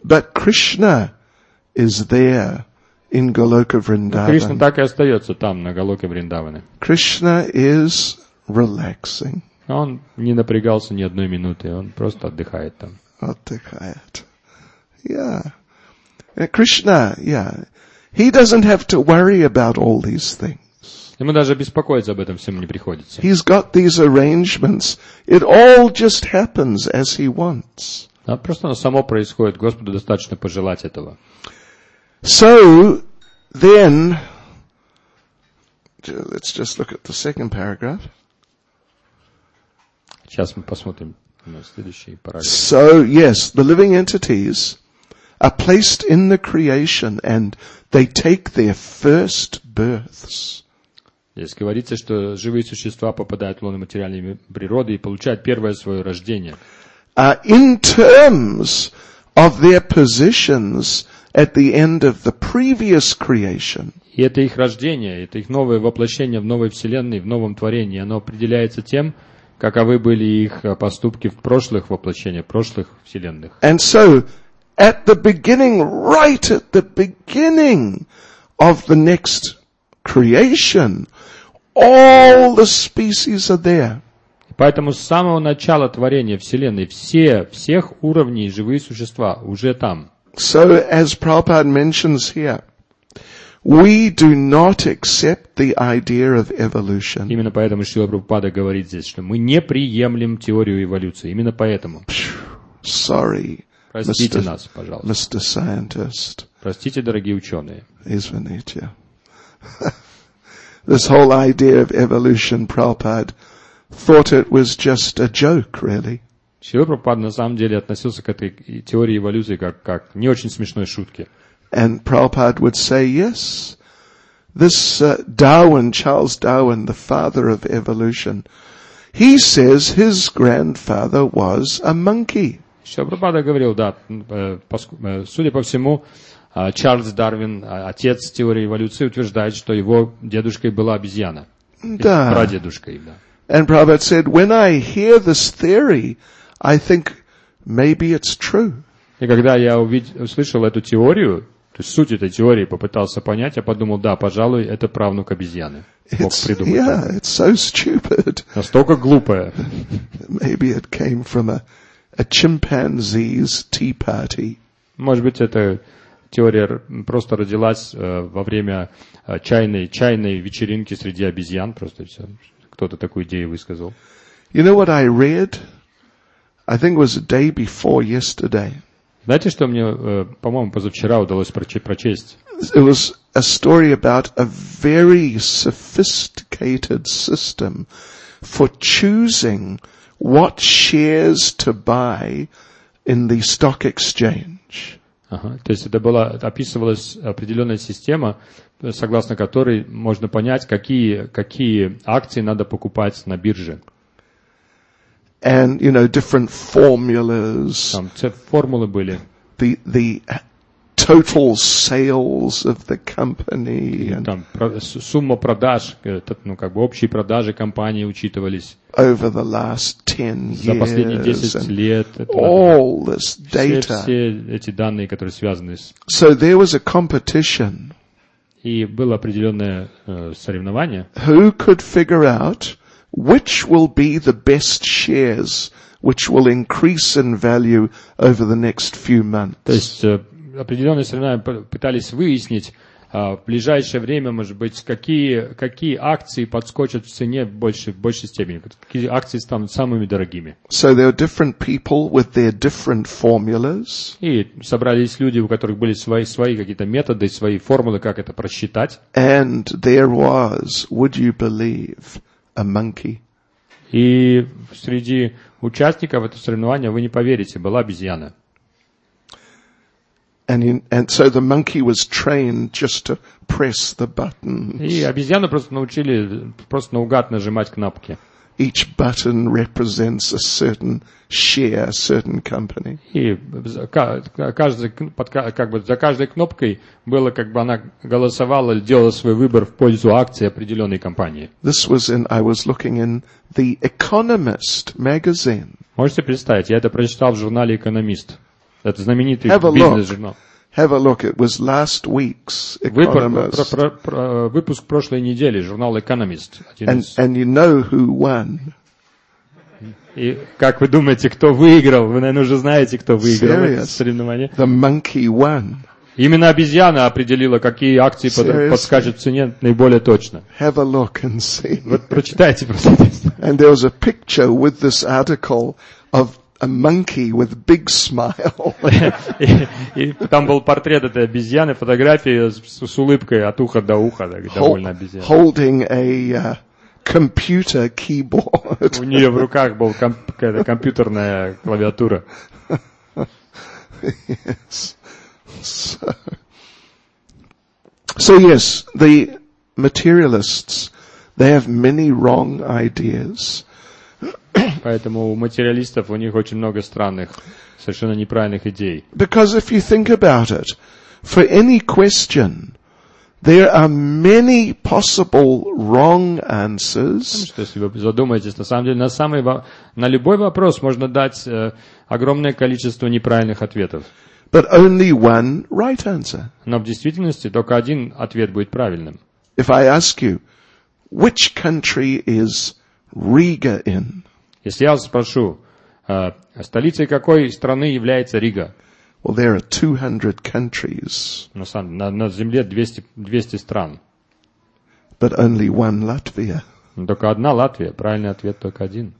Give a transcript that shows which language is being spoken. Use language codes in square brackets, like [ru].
[en] But Krishna is there in Goloka Vrindavan. [ru] Но Кришна так и остается там на Голоке Вриндаване. [en] Krishna is relaxing. [ru] Он не напрягался ни одной минуты, он просто отдыхает там. Отдыхает. [en] Yeah, Krishna, yeah. He doesn't have to worry about all these things. [ru] Ему даже беспокоиться об этом всем не приходится. [en] He's got these arrangements. It all just happens as he wants. [ru] Да, просто оно само происходит. Господу достаточно пожелать этого. [en] So then, let's just look at the second paragraph. [ru] Сейчас мы посмотрим на следующий параграф. [en] So yes, the living entities are placed in the creation and they take their first births. [ru] Здесь говорится, что живые существа попадают в лоно материальной природы и получают первое свое рождение. [en] In terms of their positions at the end of the previous creation. [ru] И это их рождение, это их новое воплощение в новой вселенной, в новом творении. Оно определяется тем, каковы были их поступки в прошлых воплощениях, в прошлых вселенных. [en] And so, at the beginning, right at the beginning of the next creation, all the species are there. [ru] Поэтому с самого начала творения Вселенной все, всех уровней живые существа уже там. [en] So, as Prabhupada mentions here, we do not accept the idea of evolution. [ru] Именно поэтому Шрила Прабхупада говорит здесь, что мы не приемлем теорию эволюции. Именно поэтому. [en] Sorry, [ru] простите нас, пожалуйста. [en] Mr. Scientist. [ru] Простите, дорогие ученые. Извините. [en] This whole idea of evolution, Prabhupada thought it was just a joke, really. [ru] Шрила Прабхупада на самом деле относился к этой теории эволюции как не очень смешной шутке. [en] And Prabhupada would say, yes, this Darwin, Charles Darwin, the father of evolution, he says his grandfather was a monkey. [ru] Шрила Прабхупада говорил, да, судя по всему, Чарльз Дарвин, отец теории эволюции, утверждает, что его дедушкой была обезьяна. Да. Прадедушкой, да. [en] And Prabhupada said, when I hear this theory, I think maybe it's true. [ru] И когда я услышал эту теорию, то есть суть этой теории, попытался понять, я подумал, да, пожалуй, это правнук обезьяны. Бог придумал. [en] Yeah, it's so stupid. [ru] Настолько глупое. [en] Maybe it came from a chimpanzee's tea party. [ru] Может быть, эта теория просто родилась во время чайной вечеринки среди обезьян, просто все. Кто-то такую идею высказал. [en] You know what I read? I think it was the day before yesterday. [ru] Знаете, что мне, по-моему, позавчера удалось прочесть? [en] It was a story about a very sophisticated system for choosing what shares to buy in the stock exchange. [ru] Ага. То есть это была описывалась определенная система, согласно которой можно понять, какие акции надо покупать на бирже. [en] And, you know, different formulas. [ru] Там все формулы были. [en] The total sales of the company. And [ru] там сумма продаж, ну, как бы общие продажи компании учитывались. [en] Over the last 10 years. [ru] За последние 10 лет. [en] All this data. [ru] Все эти данные, которые связаны с... [en] So there was a competition. [ru] И было определенное соревнование. [en] Who could figure out which will be the best shares which will increase in value over the next few months? [ru] То есть определенные соревнования пытались выяснить в ближайшее время, может быть, какие акции подскочат в цене в большей степени, какие акции станут самыми дорогими. [en] So there are different people with their different formulas. [ru] И собрались люди, у которых были свои какие-то методы, свои формулы, как это просчитать. [en] And there was, would you believe, a monkey. [ru] И среди участников этого соревнования, вы не поверите, была обезьяна. [en] And so the monkey was trained just to press the buttons. [ru] И обезьяну просто научили просто наугад нажимать кнопки. [en] Each button represents a certain share, certain company. [ru] И за каждой кнопкой было, как бы она голосовала, делала свой выбор в пользу акции определенной компании. [en] This was in, I was looking in The Economist magazine. [ru] Можете представить, я это прочитал в журнале «Экономист». Это знаменитый бизнес-журнал. [en] Have a look, it was last week's Economist. [ru] Выпуск прошлой недели, журнал Economist. [en] And you know who won. [ru] И как вы думаете, кто выиграл? Вы, наверное, уже знаете, кто выиграл это соревнование. [en] The monkey won. [ru] Именно обезьяна определила, какие акции подскажут в цене наиболее точно. [en] Have a look and see. [ru] Вот прочитайте просто. [en] And there was a picture with this article of a monkey with big smile. [ru] И там был портрет этой обезьяны, фотография с улыбкой от уха до уха, так, довольно обезьяна. [en] Holding a computer keyboard. [ru] У нее в руках была какая-то компьютерная клавиатура. [en] Yes. So yes, the materialists, they have many wrong ideas. [ru] Поэтому у материалистов, у них очень много странных, совершенно неправильных идей. [en] Because if you think about it, for any question, there are many possible wrong answers. [ru] Если вы задумаетесь, на самом деле, на любой вопрос можно дать огромное количество неправильных ответов. [en] But only one right answer. [ru] Но в действительности только один ответ будет правильным. [en] If I ask you, which country is Riga in? [ru] Если я вас спрошу, столицей какой страны является Рига? [en] Well, there are 200 countries. [ru] На самом деле, на земле 200 стран. [en] But only one Latvia. [ru] Только одна Латвия. Правильный ответ только один.